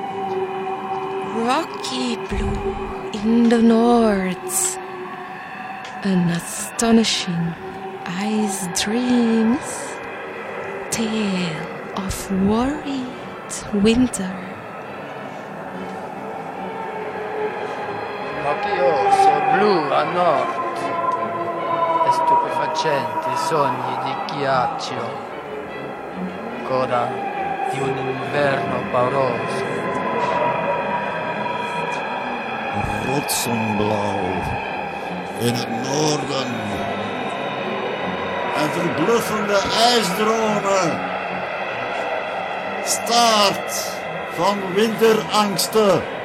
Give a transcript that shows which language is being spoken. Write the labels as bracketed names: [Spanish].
[English] Rocky blue in the north, an astonishing ice dreams, tale of worried winter. [Italian] Occhioso blu a nord, e stupefacenti sogni di ghiaccio, coda di un inverno pauroso. [Dutch] Rotsenblauw in het noorden en verbluffende ijsdromen, staart van winterangsten.